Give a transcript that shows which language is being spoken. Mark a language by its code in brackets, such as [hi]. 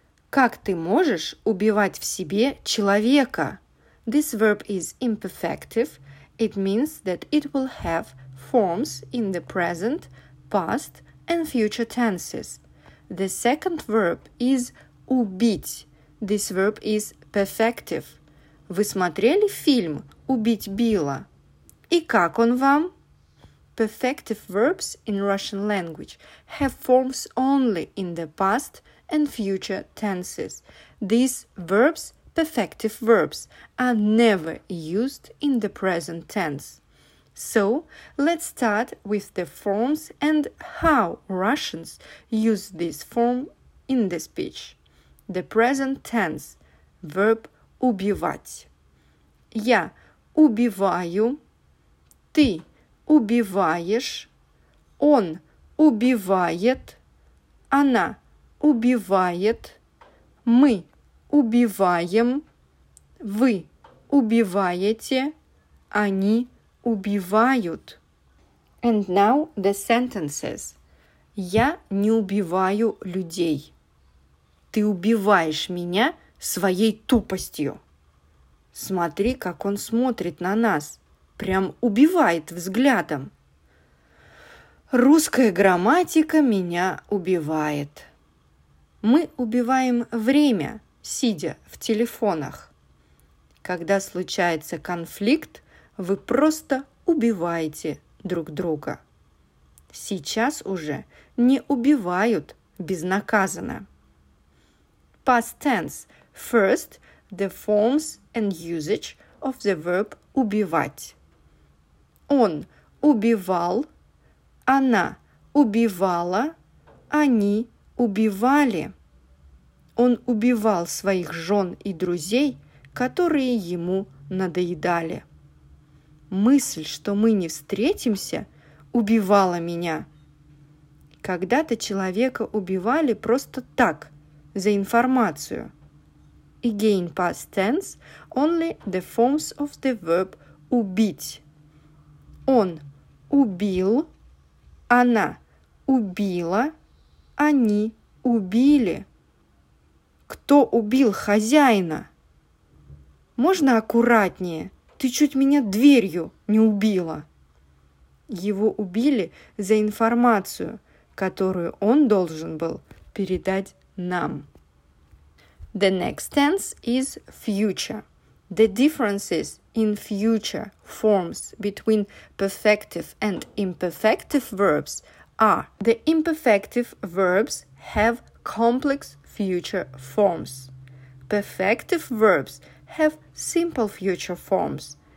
[ru] Как ты можешь убивать в себе человека? [en] This verb is imperfective. It means that it will have forms in the present, past and future tenses. The second verb is убить. This verb is perfective. [ru] Вы смотрели фильм «Убить Билла»? И как он вам? [en] Perfective verbs in Russian language have forms only in the past and future tenses. These verbs, perfective verbs, are never used in the present tense. So, let's start with the forms and how Russians use this form in the speech. The present tense, verb убивать. [ru] Я убиваю, ты убиваешь, он убивает, она убивает, мы убиваем, вы убиваете, они убивают. [en] And now the sentences. [ru] Я не убиваю людей. Ты убиваешь меня своей тупостью. Смотри, как он смотрит на нас. Прям убивает взглядом. Русская грамматика меня убивает. Мы убиваем время, сидя в телефонах. Когда случается конфликт, вы просто убиваете друг друга. Сейчас уже не убивают безнаказанно. [en] Past tense. First, the forms and usage of the verb убивать. [ru] Он убивал, она убивала, они убивали. Он убивал своих жен и друзей, которые ему надоедали. Мысль, что мы не встретимся, убивала меня. Когда-то человека убивали просто так, за информацию. [en] Again, past tense, only the forms of the verb убить. [ru] Он убил, она убила, они убили. Кто убил хозяина? Можно аккуратнее? Ты чуть меня дверью не убила. Его убили за информацию, которую он должен был передать нам. [en] The next tense is future. The differences in future forms between perfective and imperfective verbs are: the imperfective verbs have complex future forms. Perfective verbs have simple future forms.